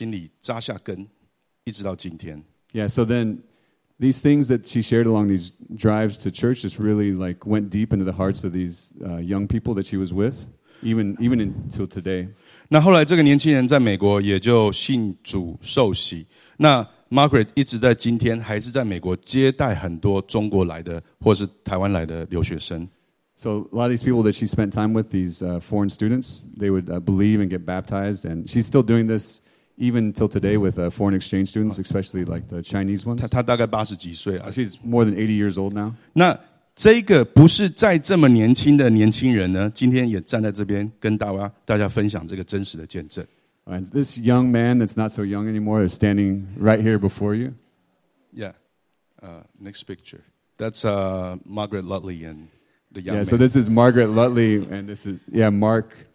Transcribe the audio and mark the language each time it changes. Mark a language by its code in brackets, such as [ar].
[zh] 那这些对话，这些对谈，就在这个年轻人里面心里慢慢发酵，然后在他心里扎下根，一直到今天。 [en] Yeah, so then these things that she shared along these drives to church just really like went deep into the hearts of these young people that she was with, even until today. [zh] 那后来这个年轻人在美国也就信主受洗。那 Margaret 一直在今天还是在美国接待很多中国来的或是台湾来的留学生。 [en] So a lot of these people that she spent time with, these foreign students, they would believe and get baptized, and she's still doing this even till today with foreign exchange students, especially like the Chinese ones. [zh] 她大概80几岁啊， [en] she's more than 80 years old now. [zh] 那这个不是再这么年轻的年轻人呢，今天也站在这边跟大家分享这个真实的见证。 [en] And this young man that's not so young anymore is standing right here before you. Yeah. Next picture. That's Margaret Lutley and the young man. Yeah, so this is Margaret Lutley and this is, yeah, Mark.